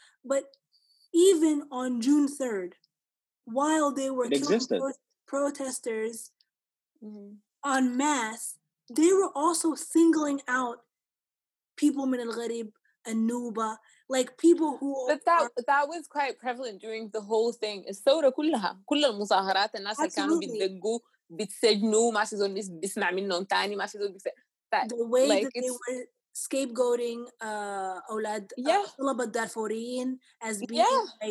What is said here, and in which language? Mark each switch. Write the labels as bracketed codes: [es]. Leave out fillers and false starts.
[en] But even on June 3rd, while they were protesters en masse, they were also singling out people [ar] min al-gharib, an-nuba, [en] like people who... But that was quite prevalent during the whole thing. [ar] الثورة كلها, كل المظاهرات, الناس اللي كانوا بيدلقوا, بتسجنوا, ما في زول بيسمع منهم تاني, ما في زول بيسمع... [en] The way like that they were scapegoating [ar] أولاد طلبة الدارفوريين [en] as being